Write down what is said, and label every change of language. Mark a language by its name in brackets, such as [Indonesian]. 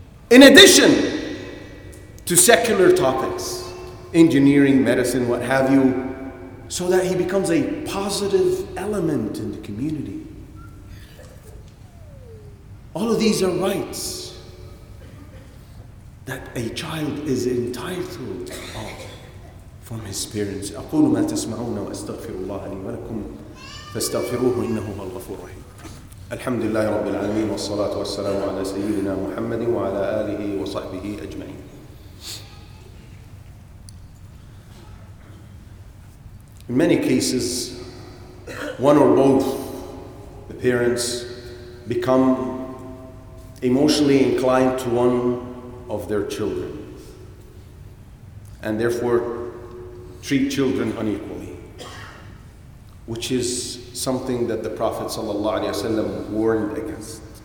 [English] In addition to secular topics, engineering, medicine, what have you, so that he becomes a positive element in the community. All of these are rights that a child is entitled of from his parents. [Arabic] أقول ما تسمعون وأستغفر الله لي ولكم فاستغفروه إنه هو الغفور الرحيم. الحمد لله رب العالمين والصلاة والسلام على سيدنا محمد وعلى آله وصحبه أجمعين. [English] In many cases, one or both the parents become emotionally inclined to one of their children and therefore treat children unequally, which is something that the Prophet ﷺ warned against.